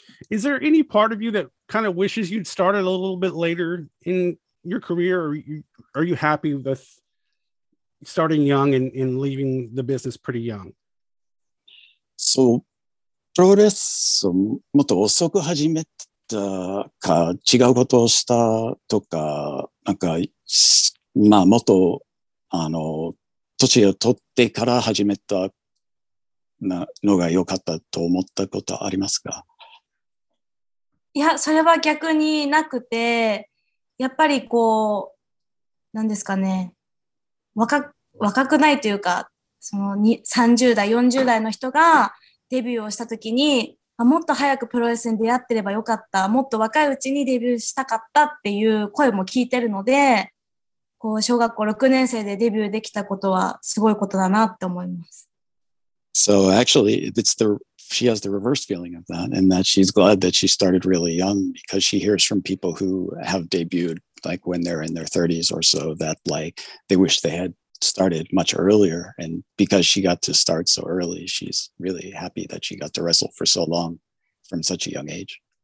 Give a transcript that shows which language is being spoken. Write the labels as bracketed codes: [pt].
[en] Is there any part of you that kind of wishes you'd started a little bit later in your career? Or are you happy with starting young and leaving the business pretty young? [ja] So, プロレスもっと遅く始めたか、違うことをしたとか、なんか、まあ、もっと、年を取ってから始めたのが良かったと思ったことありますか？いや、それは逆になくて、やっぱりこう、何ですかね、若くないというか、その30代、40代の人がデビューをした時に、あ、もっと早くプロレスに出会ってればよかった、もっと若いうちにデビューしたかったっていう声も聞いてるので、こう小学校6年生でデビューできたことはすごいことだなって思います。 [en] So actually, she has the reverse feeling of that, and that she's glad that she started really young, because she hears from people who have debuted like when they're in their 30s or so, that like they wish they had started much earlier. And because she got to start so early, she's really happy that she got to wrestle for so long from such a young age.